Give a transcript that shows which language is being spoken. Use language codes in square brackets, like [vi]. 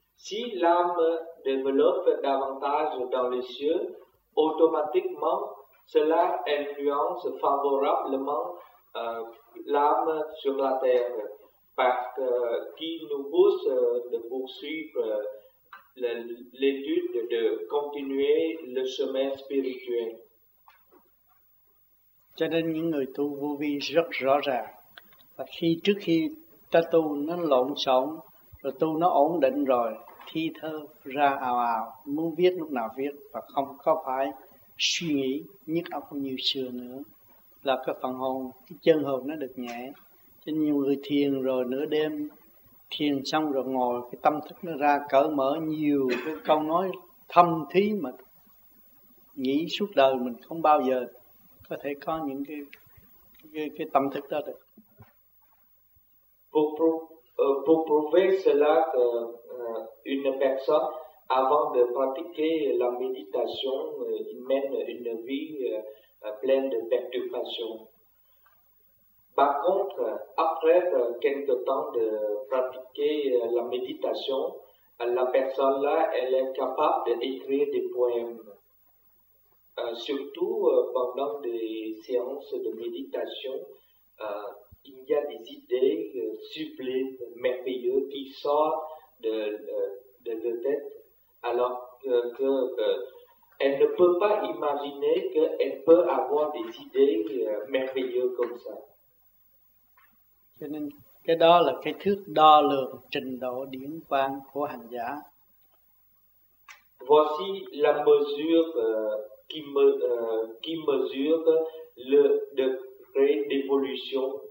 [fr] Si l'âme développe davantage dans les cieux, automatiquement, cela influence favorablement l'âme sur la terre, parce qu'il nous pousse de poursuivre l'étude, de continuer le chemin spirituel. [vi] Cho nên những người tu vô vi rất rõ ràng. Và khi trước khi ta tu nó lộn xộn, rồi tu nó ổn định rồi, thi thơ ra ào ào, muốn viết lúc nào viết và không có phải suy nghĩ nhức óc như xưa nữa, là cái phần hồn, cái chân hồn nó được nhẹ. Cho nhiều người thiền rồi nửa đêm thiền xong rồi ngồi, cái tâm thức nó ra cỡ mở nhiều cái câu nói thâm thí mà nghĩ suốt đời mình không bao giờ có thể có những cái tâm thức đó được. [fr] Pour prouver cela, une personne, avant de pratiquer la méditation, mène une vie pleine de perturbations. Par contre, après quelque temps de pratiquer la méditation, la personne-là, elle est capable d'écrire des poèmes. Surtout pendant des séances de méditation, il y a des idées sublimes, merveilleuses, qui sortent de la tête, alors qu'elle ne peut pas imaginer qu'elle peut avoir des idées merveilleuses comme ça. [vi] Cho nên cái đó là cái thước đo lường trình độ điển quang của hành giả. [fr] Voici la mesure qui mesure le degré d'évolution.